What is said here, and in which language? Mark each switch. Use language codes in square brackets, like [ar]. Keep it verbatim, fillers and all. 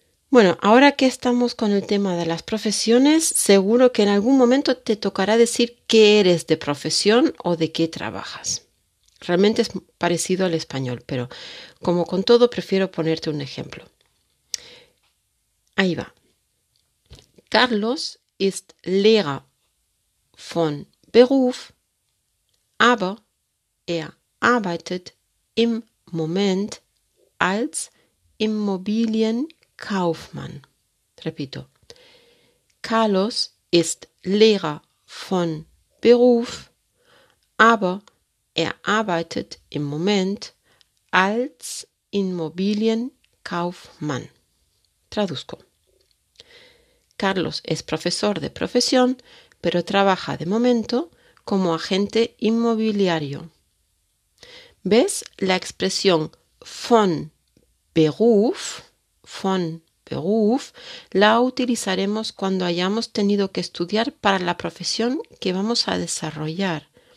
[es] Bueno, ahora que estamos con el tema de las profesiones, seguro que en algún momento te tocará decir qué eres de profesión o de qué trabajas. Realmente es parecido al español, pero como con todo, prefiero ponerte un ejemplo. Ahí va. [de] Carlos ist Lehrer von Beruf, aber er arbeitet im Moment als Immobilienkaufmann. [es] Repito. [de] Carlos ist Lehrer von Beruf, aber er arbeitet im Moment als Immobilienkaufmann. [es] Traduzco. Carlos es profesor de profesión, pero trabaja de momento como agente inmobiliario. ¿Ves? La expresión von Beruf, von Beruf, la utilizaremos cuando hayamos tenido que estudiar para la profesión que vamos a desarrollar.